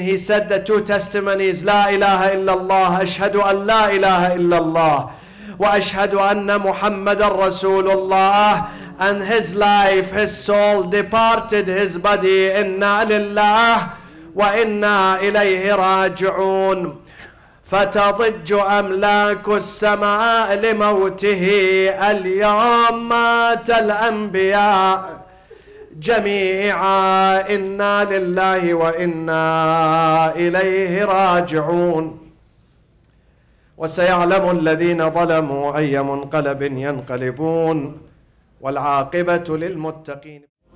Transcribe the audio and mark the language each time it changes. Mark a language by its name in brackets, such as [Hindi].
[English] He said the two testimonies, [Arabic] لا إله إلا الله, أشهد أن لا إله إلا الله, وأشهد أن محمد رسول الله. [English] And his life, his soul departed his body. [Arabic] Inna lillah wa inna ilayhi raji'un. فتضج أملاك السماء لموته اليوم مات الأنبياء جميعا إنا لله وإنا إليه راجعون وسيعلم الذين ظلموا أي منقلب ينقلبون والعاقبة للمتقين.